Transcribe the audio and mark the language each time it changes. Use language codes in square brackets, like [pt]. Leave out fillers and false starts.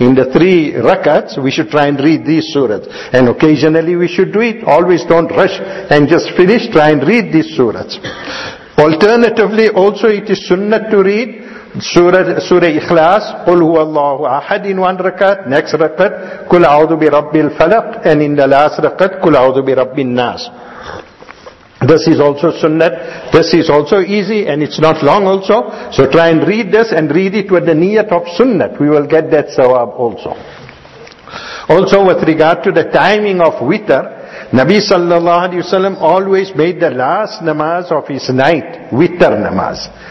[en] In the 3 rakats, we should try and read these surahs. And occasionally we should do it. Always don't rush and just finish. Try and read these surahs. Alternatively, also it is sunnah to read Surah Ikhlas, [ar] قُلْ هُوَ اللَّهُ أَحَدٌ [en] in 1 rakat. Next rakat, [ar] قُلْ أَعُوذُ بِرَبِّ الْفَلَقِ [en] and in the last rakat, [ar] قُلْ أَعُوذُ بِرَبِّ النَّاسِ. [en] This is also sunnah. This is also easy and it's not long also. So try and read this and read it with the niyat of sunnah. We will get that sawab also. Also with regard to the timing of witr, Nabi sallallahu alayhi wa sallam always made the last namaz of his night, witr namaz.